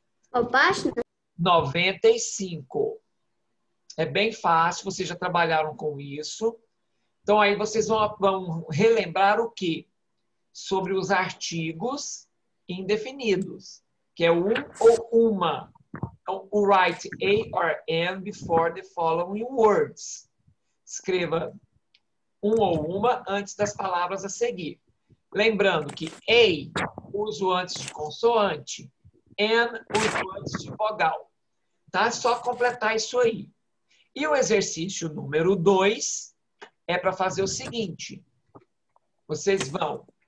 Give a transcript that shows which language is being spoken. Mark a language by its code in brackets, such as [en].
[pt] Qual página? 95. É bem fácil, vocês já trabalharam com isso. Então, aí vocês vão relembrar o quê? Sobre os artigos indefinidos, que é um ou uma. [en] Então, write A or N before the following words. [pt] Escreva um ou uma antes das palavras a seguir. Lembrando que A uso antes de consoante, N uso antes de vogal. Tá? Só completar isso aí. E o exercício número 2 é para fazer o seguinte. Vocês vão...